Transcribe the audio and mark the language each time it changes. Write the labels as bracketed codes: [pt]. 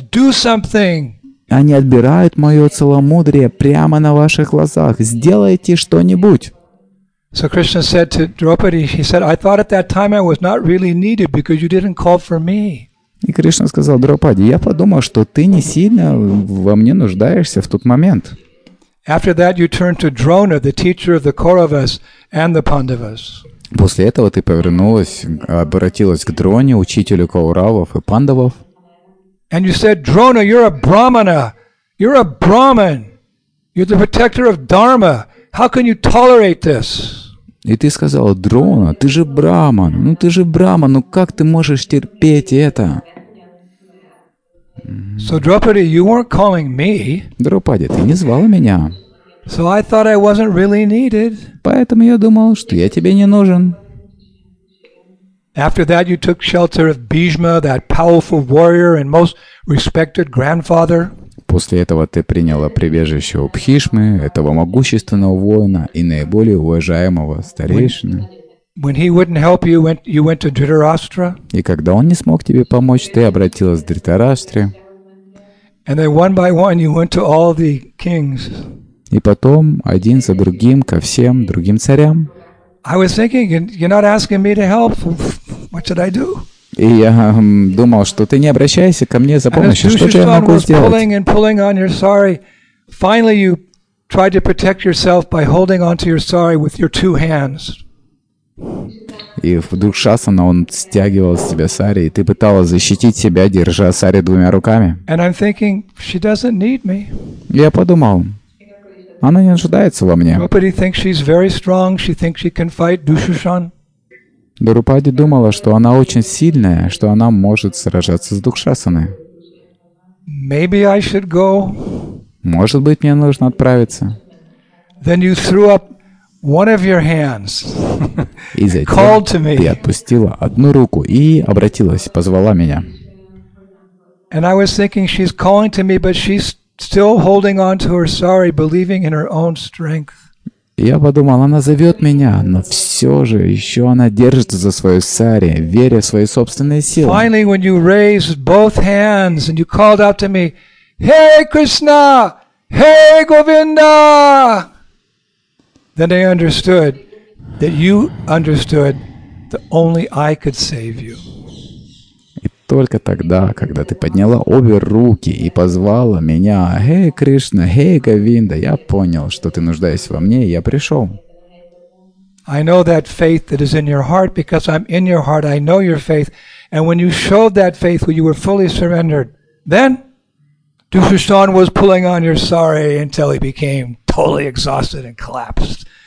[en] Do something. [ru] Они отбирают мое целомудрие прямо на ваших глазах. Сделайте что-нибудь. [en] So Krishna said to Draupadi, he said, I thought at that time I was not really needed because you didn't call for me. [ru] И Кришна сказал: Драупади, я подумал, что ты не сильно во мне нуждаешься в тот момент. [en] After that you turn to Drona, the teacher of the Kauravas and the Pandavas. [ru] После этого ты обратилась к Дроне, учителю Кауравов и Пандавов. [en] And you said, Drona, you're a Brahmana. You're a Brahmin. You're the protector of Dharma. How can you tolerate this? [ru] И ты сказала: Дрона, ты же Брахман. Ну ты же Брахман, ну как ты можешь терпеть это? [en] So Draupadi, you weren't calling me. [ru] Драупади, ты не звала меня. [en] So I thought I wasn't really needed. [ru] Поэтому я думал, что я тебе не нужен. [en] After that, you took shelter of Bhishma, that powerful warrior and most respected grandfather. [ru] После этого ты приняла прибежище у Бхишмы, этого могущественного воина и наиболее уважаемого старейшины. [en] When he wouldn't help you, you went to Dhritarashtra. [ru] И когда он не смог тебе помочь, ты обратилась к Дхритараштре. [en] And then one by one you went to all the kings. [ru] И потом один за другим ко всем другим царям. [en] I was thinking, you're not asking me to help. What should I do? [ru] И я думал, что ты не обращайся ко мне за помощью. Что же я могу сделать? [en] Pulling and pulling on your sari. Finally, you tried to protect yourself by holding onto your sari with your two hands. [ru] И вдруг Шасана, он стягивал с тебя сари, и ты пыталась защитить себя, держа сари двумя руками. [en] And I'm thinking, she doesn't need me. [ru] Я подумал, она не нуждается во мне. [en] Nobody thinks she's very strong. She thinks she can fight Dushushan. [ru] Драупади думала, что она очень сильная, что она может сражаться с Дукшасаной. [en] Maybe I should go. [ru] Может быть, мне нужно отправиться. [en] Then you threw up one of your hands. [ru] И затем ты отпустила одну руку и обратилась, позвала меня. [en] And I was thinking she's calling to me, but she's still holding on to her sari, believing in her own strength. [ru] Я подумал, она зовет меня, но все же еще она держится за свою сари, веря в свои собственные силы. [en] Finally, when you raised both hands and you called out to me, "Hey, Krishna! Hey, Govinda!" Then I understood that you understood that only I could save you. [ru] Только тогда, когда ты подняла обе руки и позвала меня, «Эй, Кришна! Эй, Говинда!» Я понял, что ты нуждаешься во мне, и я пришел. [en] I know that faith that is in your heart, because I'm in your heart, I know your faith. And when you showed that faith, when you were fully surrendered, then Dushushan was pulling on your sari until he became totally exhausted and collapsed.